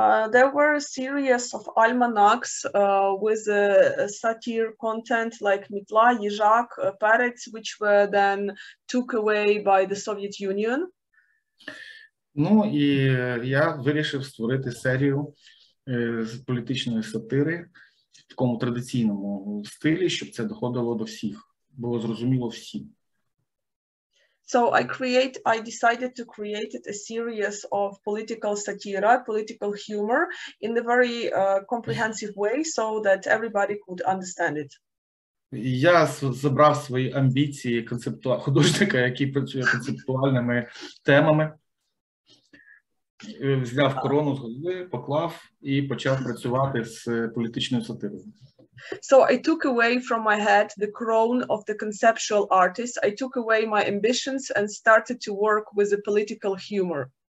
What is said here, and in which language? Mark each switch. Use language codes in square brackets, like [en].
[en] There were a series of almanacs with satire content like Mitla, Jizhak, Perec, which were then took away by the Soviet Union. [uk] Ну і я вирішив створити серію з політичної сатири в такому традиційному стилі, щоб це доходило до всіх, було зрозуміло всім. [en] So I decided to create a series of political satire, political humor in a very comprehensive way so that everybody could understand it. [uk] Я забрав свої амбіції художника, який працює концептуальними темами. Взяв корону з голови, поклав і почав працювати з політичною сатирою. [en] So I took away from my head the crown of the conceptual artist. I took away my ambitions and started to work with a political humor.